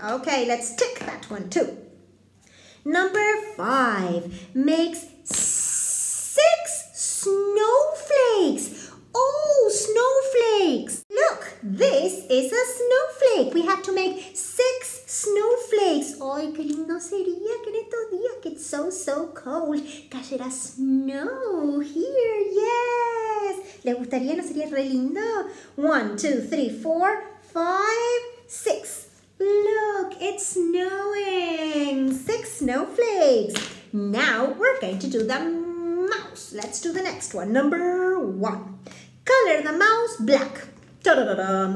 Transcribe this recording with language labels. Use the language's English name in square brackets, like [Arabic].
[English] Okay, let's tick that one too. Number five makes six snowflakes. Oh, snowflakes. Look, this is a snowflake. We have to make six snowflakes. [Spanish] Ay, qué lindo sería que en estos días que [English] it's so, so cold, [Spanish] cayera [English] snow here. Yes. [Spanish] ¿Le gustaría? ¿No sería re lindo? [English] One, two, three, four, five, six. Look, it's snowing. Six snowflakes. Now we're going to do the mouse. Let's do the next one. Number one. Color the mouse black. Ta-da-da-da.